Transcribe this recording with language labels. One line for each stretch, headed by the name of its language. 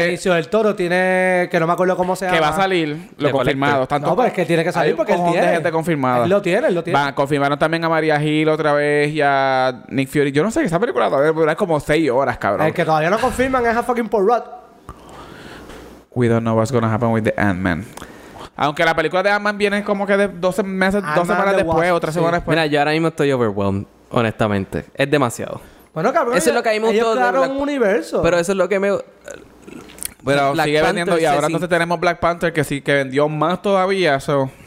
Spanish: Benicio del Toro tiene... Que no me acuerdo cómo se llama. Que va a salir. Lo confirmado. No, pero es que tiene que salir porque él tiene. Hay un cojón de gente confirmada. Él lo tiene. Va, confirmaron también a Maria Hill otra vez y a Nick Fury. Yo no sé, esa película todavía dura como 6 horas, cabrón. El que todavía no confirman es a fucking Paul Rudd.
English: We don't know what's gonna happen with the Ant-Man.
Spanish: Aunque la película de Ant-Man viene como que de 12 meses, 12 semanas después, o 3 semanas después. Mira, yo ahora mismo estoy overwhelmed, honestamente. Es demasiado. Bueno, cabrón, eso es lo que a mí me ellos crearon un universo. Pero eso es lo que me... Bueno, Black sigue Panther, vendiendo y ahora entonces tenemos Black Panther que sí que vendió más todavía, eso...